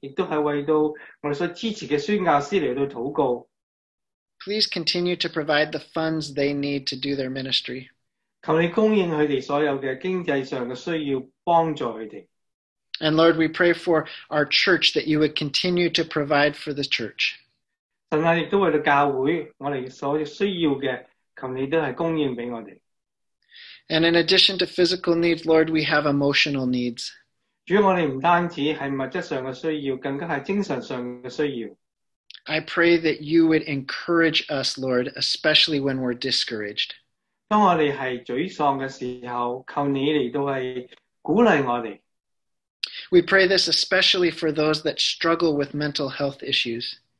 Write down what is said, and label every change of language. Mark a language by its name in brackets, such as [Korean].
[Chinese] 神啊，我们都为了宣教师，也都是为到我们所支持的宣教师来到祷告。 [English] Please continue to provide the funds they need to do their ministry. [Chinese] 求你供应他们所有的经济上的需要，帮助他们。 [English] And Lord, we pray for our church that you would continue to provide for the church. [Chinese] 神啊，也都为了教会，我们所需要的。 [English] And in addition to physical needs, Lord, we have emotional needs. [Chinese] 主，我们不单止是物质上的需要，更加是精神上的需要。 [English] I pray that you would encourage us, Lord, especially when we're discouraged. [Chinese] 当我们是沮丧的时候，求你来鼓励我们。 [English] We pray this especially for those that struggle with mental health issues.